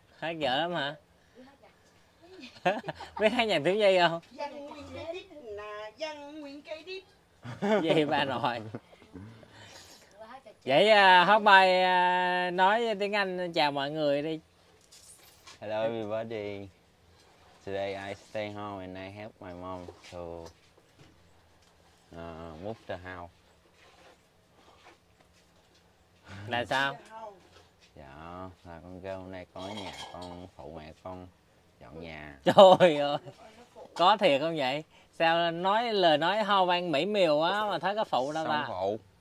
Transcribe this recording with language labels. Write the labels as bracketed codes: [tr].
[vi] Hát dở lắm hả? Biết hát nhạc thiếu nhi không? Dân nguyên cây đít nà, dân nguyên cây đít. Gì ba nội. Vậy hát bài nói tiếng Anh chào mọi người đi. [en] Hello everybody. Today I stay home and I help my mom to move the house. [vi] Là sao? Dạ, là con kêu hôm nay có nhà con phụ mẹ con dọn nhà. Trời ơi, có thiệt không vậy? Sao nói lời nói ho vang mỹ miều quá mà thấy có phụ đâu ta? Phụ.